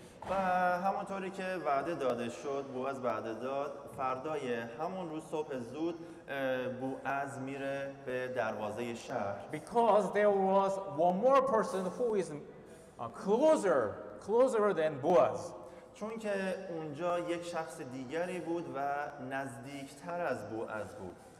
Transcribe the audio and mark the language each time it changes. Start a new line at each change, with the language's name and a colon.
Persian: و همونطوری که وعده داده شد، بوعز وعده داد فردای همون روز صبح زود بوعز میره به دروازه شهر.
English: Because there was one more person who is closer than Boaz.
Persian: چون که اونجا یک شخص دیگری بود و نزدیکتر از بوعز بود.